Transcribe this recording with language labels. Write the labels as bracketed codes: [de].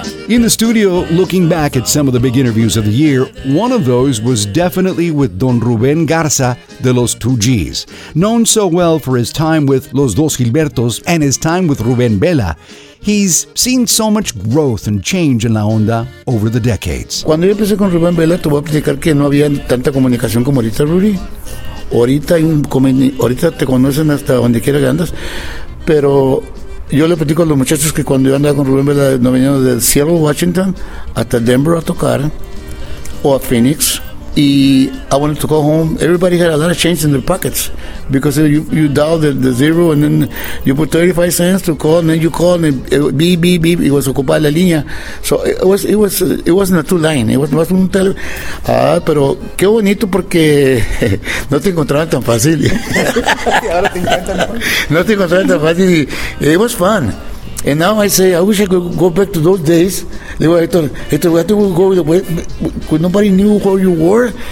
[en] In the studio, looking back at some of the big interviews of the year, one of those was definitely with Don Rubén Garza de Los 2Gs. Known so well for his time with Los Dos Gilbertos and his time with Rubén Vela, he's seen so much growth and change in La Onda over the decades. [es] Cuando yo empecé con Rubén Vela, te voy a explicar que no había tanta comunicación como ahorita, Rudy. Ahorita te conocen hasta donde quiera que andas. Pero yo le platico a los muchachos que cuando yo andaba con Rubén Vela, nos veníamos de Seattle, Washington, hasta Denver a tocar, o a Phoenix. [en] Y I wanted to go home. Everybody had a lot of change in their pockets because you dial the zero and then you put 35 cents to call and then you call and it, beep, beep, beep. It was [es] ocupada la línea. [en] So it wasn't a two line. It was [es] un tele. Ah, pero qué bonito porque no te encontraban tan fácil. Ahora te encuentran. No te encontraban tan fácil. [en] It was fun. And now I say, I wish I could go back to those days. [es] Digo, [en] Héctor, Héctor, we have to go with nobody knew who you were.